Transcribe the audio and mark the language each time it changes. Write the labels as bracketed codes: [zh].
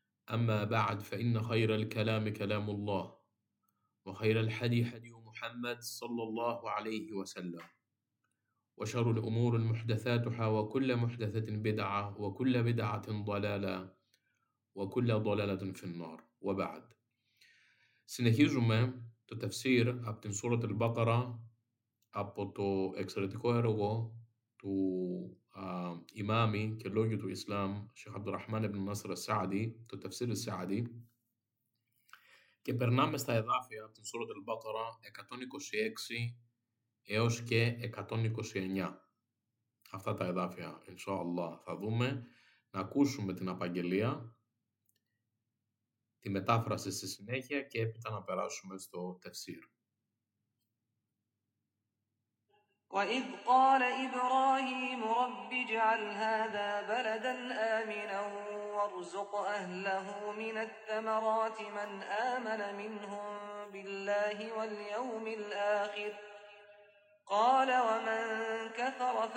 [ar] أما بعد، فإن خير الكلام كلام الله وخير الحدي حدي محمد صلى الله عليه وسلم، وشر الأمور محدثاتها، وكل محدثة بدعة، وكل بدعة ضلالة، وكل ضلالة في النار. [el] وبعد، συνεχίζουμε το تفسير από την سورة البقرة από το εξαιρετικό έργο του ημάμι και λόγιο του Ισλάμ Sheikh Abdul Rahman ibn Nasr al-Sa'di, το تفسير السعدي. Και περνάμε στα εδάφια από την Σούρα Τελ Μπάκαρα 126 έως και 129. Αυτά τα εδάφια, Ινσάλλαχ, θα δούμε. Να ακούσουμε την απαγγελία, τη μετάφραση στη συνέχεια και έπειτα να περάσουμε στο τεφσίρ. [ar] وَإِذْ قَالَ إِبْرَاهِيمُ رَبِّ اجْعَلْ هَذَا بَلَدًا آمِنًا وَارْزُقْ أَهْلَهُ مِنَ الثَّمَرَاتِ مَنْ آمَنَ مِنْهُمْ بِاللَّهِ وَالْيَوْمِ الْآخِرِ قَالَ وَمَنْ كَفَرَ